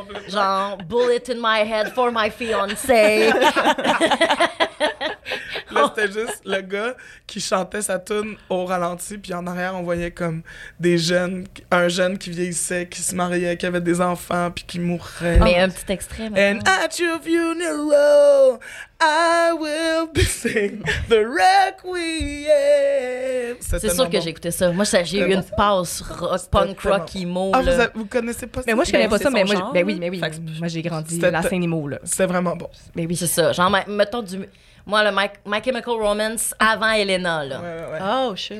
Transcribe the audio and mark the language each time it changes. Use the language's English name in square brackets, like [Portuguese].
[French] Genre Bullet in My Head for My Fiancé. Là, c'était juste le gars qui chantait sa tune au ralenti, puis en arrière, on voyait comme des jeunes, un jeune qui vieillissait, qui se mariait, qui avait des enfants, puis qui mourrait. Mais un petit extrait, maintenant. [English] And at your funeral, I will be singing the requiem. [French] C'est sûr que j'écoutais ça. Moi, j'ai eu une passe rock, punk rock, emo. Ah, vous connaissez pas ça? Mais moi, je connais pas ça, mais moi, ben oui. Moi, j'ai grandi la scène emo, là. C'est vraiment bon. Mais oui, c'est ça. Genre, mettons du... Moi, le My Chemical Romance avant Elena, là. Ouais. [English] Oh, shit.